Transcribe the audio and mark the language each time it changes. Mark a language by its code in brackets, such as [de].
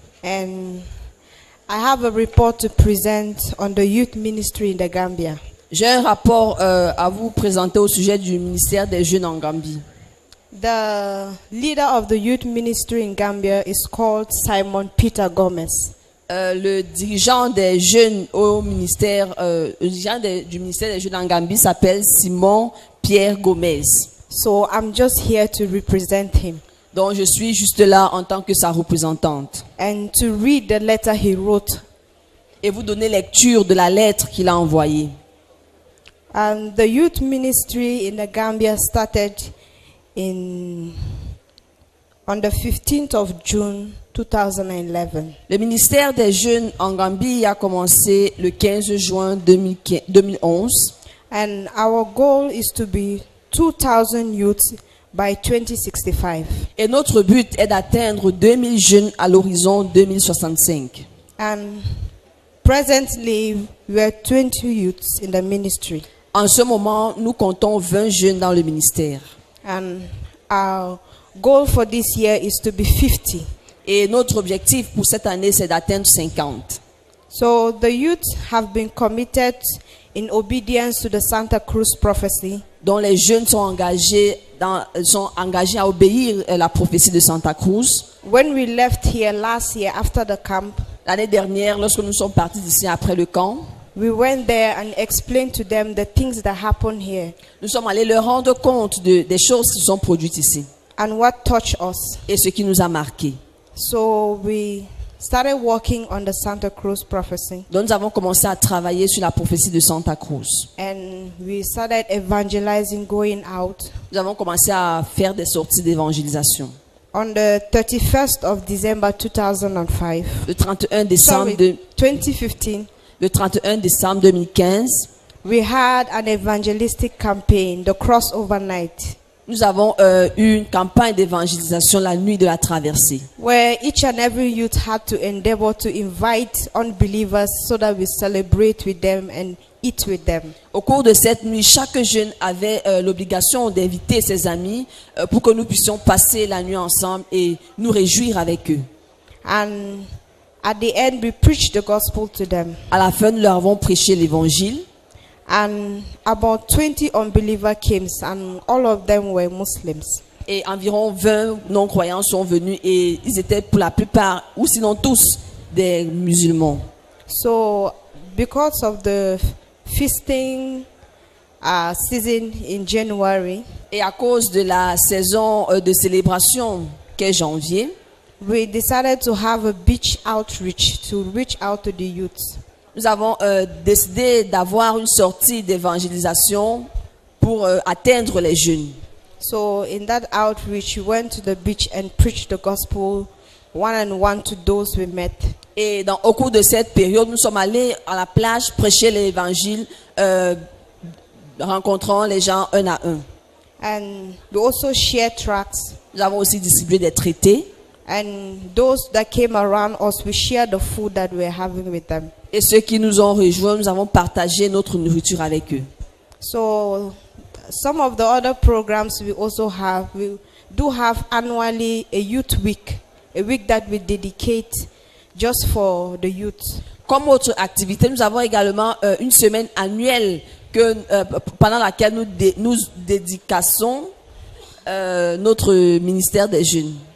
[en] And I have a report to present on the youth ministry in the Gambia. [fr] J'ai un rapport à vous présenter au sujet du ministère des jeunes en Gambie. [en] The leader of the youth ministry in Gambia is called Simon Peter Gomez. [fr] Le dirigeant des jeunes au ministère, le dirigeant du ministère des jeunes en Gambie s'appelle Simon Pierre Gomez. [en] So I'm just here to represent him. [fr] Donc je suis juste là en tant que sa représentante. [en] And to read the letter he wrote. [fr] Et vous donner lecture de la lettre qu'il a envoyée. [en] And the youth ministry in the Gambia started in on the 15th of June. 2011. [fr] Le ministère des jeunes en Gambie a commencé le 15 juin 2011. [en] And our goal is to be 2,000 youths by 2065. [fr] Et notre but est d'atteindre 2,000 jeunes à l'horizon 2065. [en] And presently, we are 20 youths in the ministry. [fr] En ce moment, nous comptons 20 jeunes dans le ministère. [en] And our goal for this year is to be 50. [fr] Et notre objectif pour cette année, c'est d'atteindre 50. [en] So the youth have been committed in obedience to the Santa Cruz prophecy. [fr] Dont les jeunes sont engagés à obéir à la prophétie de Santa Cruz. [en] When we left here last year after the camp. [fr] L'année dernière, lorsque nous sommes partis d'ici après le camp. [en] We went there and explained to them the things that happened here. [fr] Nous sommes allés leur rendre compte des choses qui sont produites ici. [en] And what touched us. [fr] Et ce qui nous a marqués. [en] So we started working on the Santa Cruz prophecy. [fr] Donc nous avons commencé à travailler sur la prophétie de Santa Cruz. [en] And we started evangelizing, going out. [fr] Nous avons commencé à faire des sorties d'évangélisation. [en] On the 31st of December 2005. [fr] Le 31 décembre 2015. Le 31 décembre 2015. [en] We had an evangelistic campaign, the Crossover Night. [fr] Nous avons eu une campagne d'évangélisation la nuit de la traversée. [en] Where each and every youth had to endeavor to invite unbelievers so that we celebrate with them and eat with them. [fr] Au cours de cette nuit, chaque jeune avait l'obligation d'inviter ses amis pour que nous puissions passer la nuit ensemble et nous réjouir avec eux. [en] And at the end, we preached the gospel to them. [fr] À la fin, nous leur avons prêché l'évangile. [en] And about 20 unbelievers came, and all of them were Muslims. [fr] Et environ 20 non-croyants sont venus et ils étaient pour la plupart, ou sinon tous, des musulmans. [en] So, because of the feasting season in January, [fr] et à cause de la saison de célébration qu'est janvier, [en] we decided to have a beach outreach to reach out to the youth. [fr] Nous avons décidé d'avoir une sortie d'évangélisation pour atteindre les jeunes. [en] So in that outreach, we went to the beach and preached the gospel one and one to those we met. [fr] Et dans au cours de cette période, nous sommes allés à la plage prêcher l'évangile, rencontrant les gens un à un. [en] And we also shared tracts. [fr] Nous avons aussi distribué des traités. [en] And those that came around us, we shared the food that we were having with them. [fr] Et ceux qui nous ont rejoints, nous avons partagé notre nourriture avec eux. [en] So, some of the other programs we also have, we do have annually a youth week, a week that we dedicate just for the youth. [fr] Comme autre activité, nous avons également une semaine annuelle que pendant laquelle nous dédicassons notre ministère des jeunes.